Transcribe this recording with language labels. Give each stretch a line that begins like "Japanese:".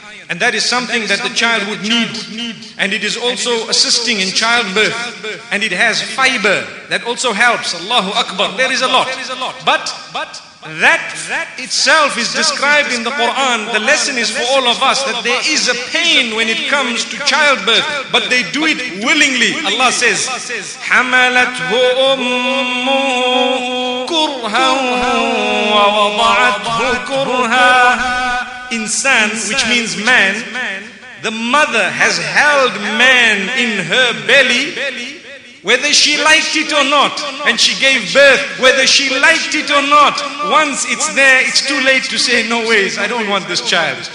English: And that is something that the child would need. And it is also assisting in childbirth. And it has fiber that also helps. Allahu Akbar. There is a lot. But that itself is described in the Quran. The lesson is for all of us that there is a pain when it comes to childbirth. But they do it willingly. Allah says,
Arabic: حَمَلَتْهُ أُمُّهُ كُرْهًا وَوَضَعَتْهُ كُرْهًا.
English: Insan, which means man, the mother has held man in her belly, whether she liked it or not, and she gave birth, whether she liked it or not. Once it's there, it's too late to say, no ways, I don't want this child.